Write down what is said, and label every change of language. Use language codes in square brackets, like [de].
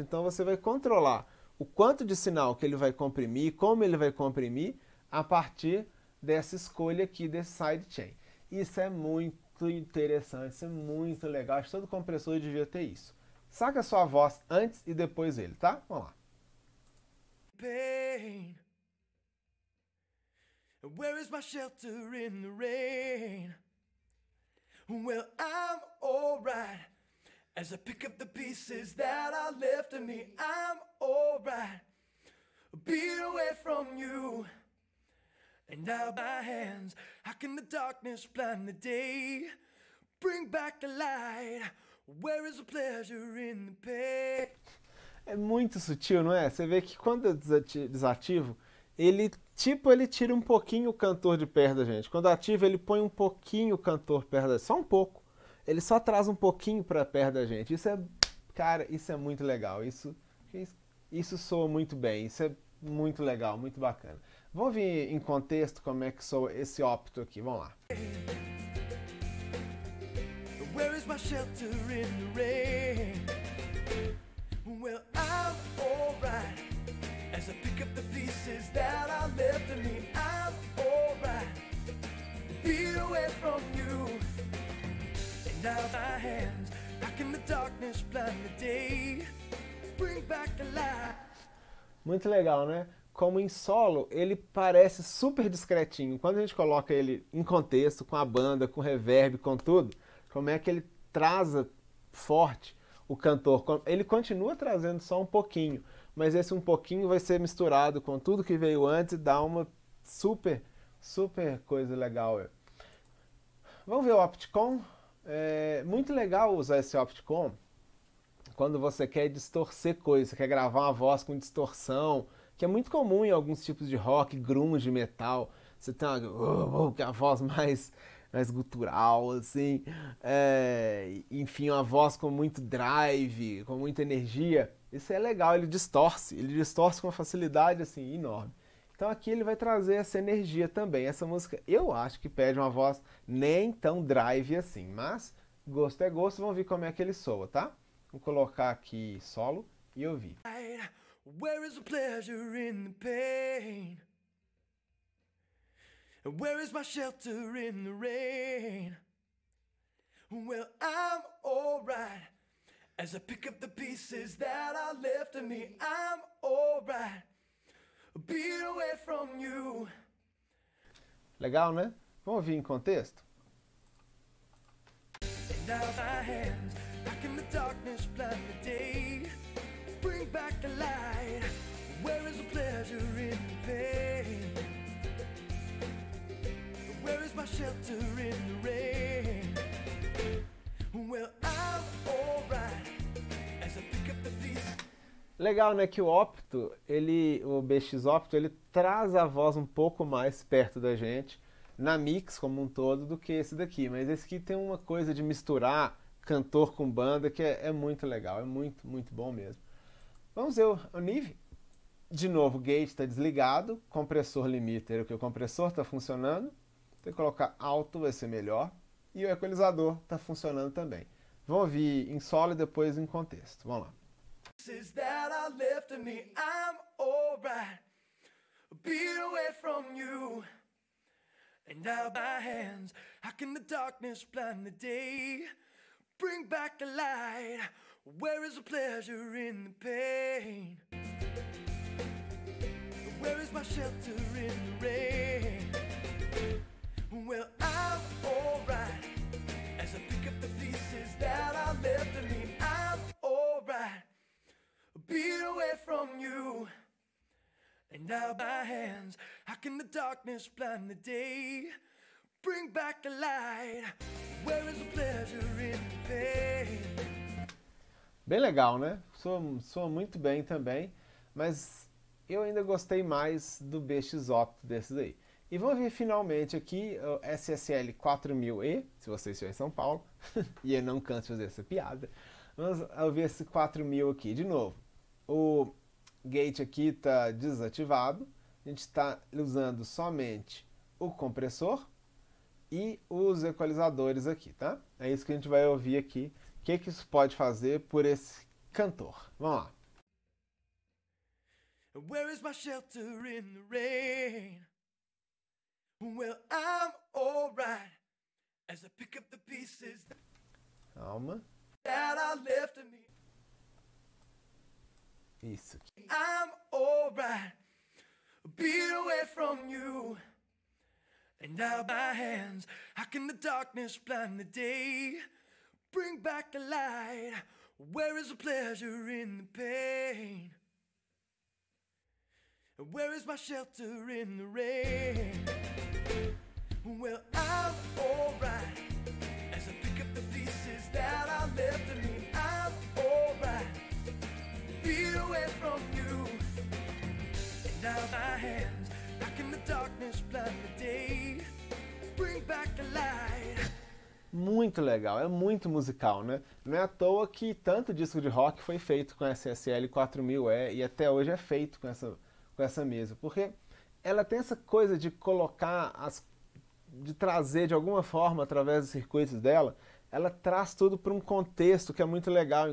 [pt] Então você vai controlar o quanto de sinal que ele vai comprimir, como ele vai comprimir, a partir dessa escolha aqui desse sidechain. Isso é muito interessante, isso é muito legal. Acho que todo compressor devia ter isso. Saca a sua voz antes e depois dele, tá? Vamos lá. [en] Pain. Where is my shelter in the rain? Well, I'm all right as I pick up the pieces that are left of me. I'm all right being away from you. And now my hands, how can the darkness blind the day? Bring back the light. Where is the pleasure in the pain? [pt] É muito sutil, não é? Você vê que quando eu desativo, ele tipo ele tira um pouquinho o cantor de perto da gente. Quando ativa, ele põe um pouquinho o cantor perto da gente. Só um pouco. Ele só traz um pouquinho para perto da gente. Isso é, cara, isso é muito legal. Isso soa muito bem. Isso é muito legal, muito bacana. Vamos ver em contexto como é que soa esse opto aqui. Vamos lá. [en] Where is my shelter in the rain? Well, I'm alright as I pick up the pieces that are left of me. I'm alright being away from you. And now my hands, how can the darkness blind the day? Bring back the light. [pt] Muito legal, né? Como em solo, ele parece super discretinho. Quando a gente coloca ele em contexto, com a banda, com reverb, com tudo, como é que ele traz forte o cantor? Ele continua trazendo só um pouquinho, mas esse um pouquinho vai ser misturado com tudo que veio antes e dá uma super, super coisa legal. Vamos ver o Opticon? É muito legal usar esse Opticon quando você quer distorcer coisa, quer gravar uma voz com distorção, que é muito comum em alguns tipos de rock, grunge, metal. Você tem uma voz mais gutural, assim. Enfim, uma voz com muito drive, com muita energia. Isso é legal, ele distorce com uma facilidade assim enorme. Então aqui ele vai trazer essa energia também. Essa música, eu acho que pede uma voz nem tão drive assim, mas gosto é gosto, vamos ver como é que ele soa, tá? Vou colocar aqui solo e ouvir. [en] Where is the pleasure in the pain? Where is my shelter in the rain? Well, I'm alright as I pick up the pieces that are left of me. I'm alright beat away from you. [pt] Legal, né? Vamos ouvir em contexto? [en] And now my hands back in the darkness, blind the day. Bring back the light. Where is the pleasure in the pain? Where is my shelter in the rain? Well, I'm alright as I pick up the pieces. [pt] Legal, né, que o Opto, ele, o BX Opto, ele traz a voz um pouco mais perto da gente na mix como um todo do que esse daqui, mas esse aqui tem uma coisa de misturar cantor com banda que é muito legal, é muito, muito bom mesmo. Vamos ver o Nive. De novo, o gate está desligado, compressor limiter, o compressor está funcionando, tem que colocar alto, vai ser melhor, e o equalizador está funcionando também. Vamos ouvir em solo e depois em contexto, vamos lá. [en] Is that I left me, I'm alright, beat away from you. And now my hands, how can the darkness blind the day? Bring back the light, where is the pleasure in the pain? Where is my shelter in the rain? Well, I'm alright, as I pick up the pieces that I left me, I'm alright. Beat away from you. And now my hands, how can the darkness blind the day? Bring back the light. Where is the pleasure in the pain? [pt] Bem legal, né? Soa muito bem também, mas eu ainda gostei mais do BX Opto desses aí. E vamos ver finalmente aqui o SSL 4000E, se você estiver em São Paulo, e eu não canso de fazer essa piada. Vamos ouvir esse 4000 aqui de novo. O gate aqui está desativado, a gente está usando somente o compressor e os equalizadores aqui, tá? É isso que a gente vai ouvir aqui, o que, que isso pode fazer por esse cantor. Vamos lá. [en] Where is my shelter in the rain? Well, I'm alright as I pick up the pieces that I left in me. [pt] Isso aqui. [en] I'm alright, beat away from you. And now my hands, how can the darkness blind the day? Bring back the light, where is the pleasure in the pain? Where is my shelter in the rain? Well, I'm alright, as I pick up the pieces that I left in me. I'm alright, beat away from you. And now my hands, back in the darkness, blind the day. Bring back the light. [pt] Muito legal, é muito musical, né? Não é à toa que tanto disco de rock foi feito com SSL 4000E e até hoje é feito com essa mesa, porque ela tem essa coisa de colocar, de trazer de alguma forma através dos circuitos dela, ela traz tudo para um contexto que é muito legal.